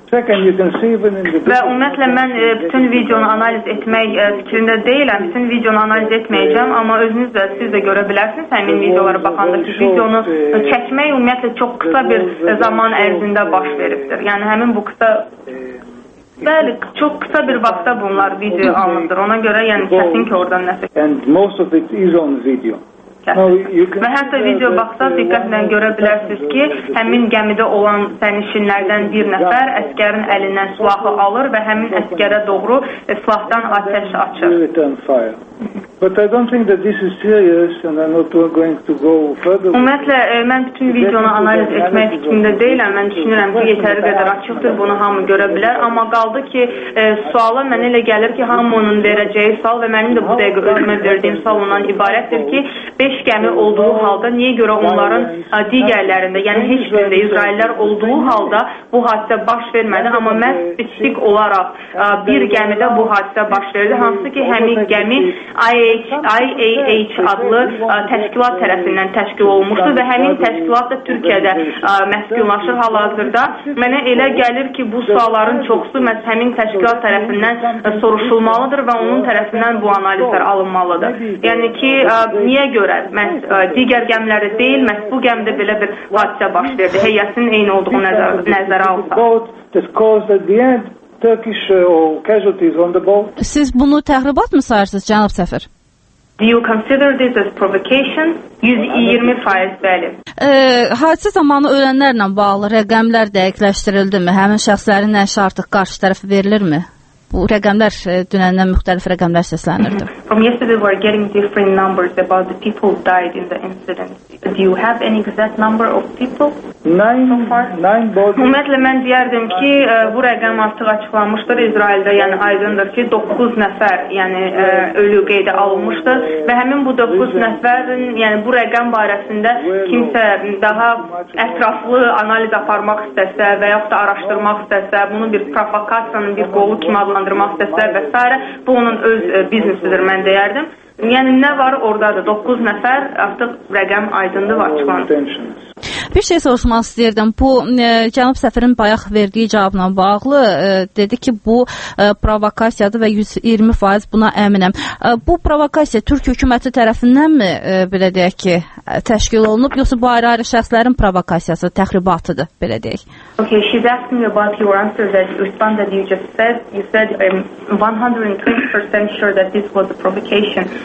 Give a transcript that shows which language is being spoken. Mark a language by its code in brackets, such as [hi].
[az] Və ümumiyyətlə, mən bütün videonu analiz etmək fikrində deyiləm, bütün videonu analiz etməyəcəm, amma özünüz də, siz də görə bilərsiniz həmin videoları baxanda ki, videonu çəkmək ümumiyyətlə çox qısa bir zaman ərzində baş veribdir. Yəni, həmin bu qısa... Bəli, çox qısa bir vaxtda bunlar video alındır. Ona görə, yəni, kəsin ki, oradan nəsə... [en] And most of it is on video. [az] Və hətta video baxsa diqqətlə görə bilərsiniz ki, həmin gəmidə olan sənişinlərdən bir nəfər əskərin əlindən silahı alır və həmin əskərə doğru silahdan atəş açır. [en] But I don't think that this is serious and I'm not going to go further. [az] Ümumiyyətlə, mən bütün videonu analiz etmək fikrində deyiləm. Mən düşünürəm ki, yetəri qədər açıqdır, bunu hamı görə bilər. Amma qaldı ki, suala mənə elə gəlir ki, hamının verəcəyi sual və mənim də bu dəqiqə özümə verdiyim sual ondan ibarətdir ki, 5 gəmi olduğu halda niyə görə onların digərlərində, yəni heç birində İsraillər olduğu halda bu hadisə baş vermədi, amma məhz spesifik olaraq bir gəmidə bu hadisə baş verdi, hansı ki, həmin gəmi IAEA IAH adlı təşkilat tərəfindən təşkil olunmuşdu və həmin təşkilat da Türkiyədə məskunlaşır hal-hazırda. Mənə elə gəlir ki, bu sualların çoxusu məhz həmin təşkilat tərəfindən soruşulmalıdır və onun tərəfindən bu analizlər alınmalıdır. Yəni ki, niyə görə məhz digər gəmiləri deyil, məhz bu gəmdə belə bir hadisə baş verdi, heyətin eyni olduğu nəzərə alsaq. [en] Turkish casualties on the boat. [az] Siz bunu təxribat mı sayırsınız, cənab səfir? [en] Do you consider this as provocation? [az] 120% bəli. Hadisə zamanı ölənlərlə bağlı rəqəmlər dəqiqləşdirildi mi? Həmin şəxslərin nəşi artıq qarşı tərəfi verilir mi? Bu rəqəmlər dünəndən müxtəlif rəqəmlər səslənirdi. [en] From yesterday we are getting different numbers about the people who died in the incident. Do you have any exact number of people? Nine bodies. [az] Ümumiyyətlə mən deyərdim ki, bu rəqəm artıq açıqlanmışdır İsraildə, yəni aydındır ki, 9 nəfər, yəni ölü qeydə alınmışdır və həmin bu 9 nəfərin, yəni bu rəqəm barəsində kimsə daha ətraflı analiz aparmaq istəsə və yaxud da araşdırmaq istəsə, bunu bir provokasiyanın bir qolu kimi adlandırmaq istəsə və s. bu onun öz biznesidir mən deyərdim. Yəni nə var ordadır? 9 nəfər artıq rəqəm aydındır və açıqlandı. Bir şey soruşmaq istəyirdim. Bu, cənab səfirin bayaq verdiyi cavabla bağlı dedi ki, bu provokasiyadır və 120% buna əminəm. Bu provokasiya Türk hökuməti tərəfindən mi, belə deyək ki, təşkil olunub, yoxsa bu ayrı-ayrı şəxslərin provokasiyası, təxribatıdır, belə deyək? [en] Okay, she's asking about your answer that you responded that you just said. You said I'm 120% sure that this was a provocation.